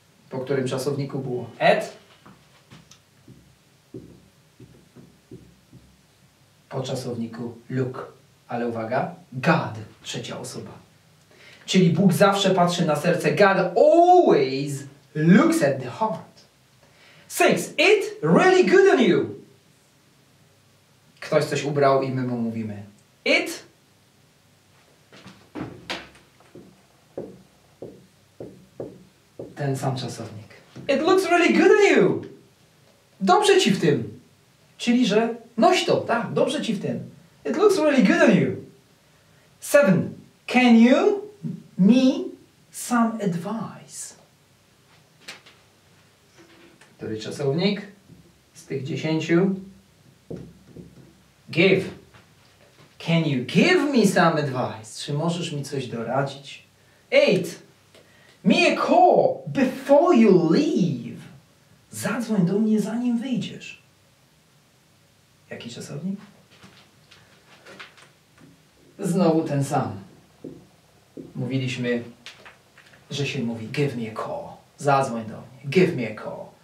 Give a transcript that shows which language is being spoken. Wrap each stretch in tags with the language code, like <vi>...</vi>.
<pl>Po którym czasowniku było? At? Po czasowniku look. Ale uwaga, God, trzecia osoba. Czyli Bóg zawsze patrzy na serce.</pl> <en>God always looks at the heart. Six. It really good on you.</en> <pl>Ktoś coś ubrał i my mu mówimy.</pl> <en>It.</en> <pl>Ten sam czasownik.</pl> <en>It looks really good on you.</en> <pl>Dobrze ci w tym. Czyli, że noś to, tak, dobrze ci w tym.</pl> <en>It looks really good on you. Seven. Can you me some advice.</en> <pl>Który czasownik z tych 10?</pl> <en>Give. Can you give me some advice?</en> <pl>Czy możesz mi coś doradzić?</pl> <en>Eight. Me a call before you leave.</en> <pl>Zadzwoń do mnie zanim wyjdziesz. Jaki czasownik? Znowu ten sam. Mówiliśmy, że się mówi</pl> <en>give me a call,</en> <pl>zadzwoń do mnie,</pl> <en>give me a call.</en>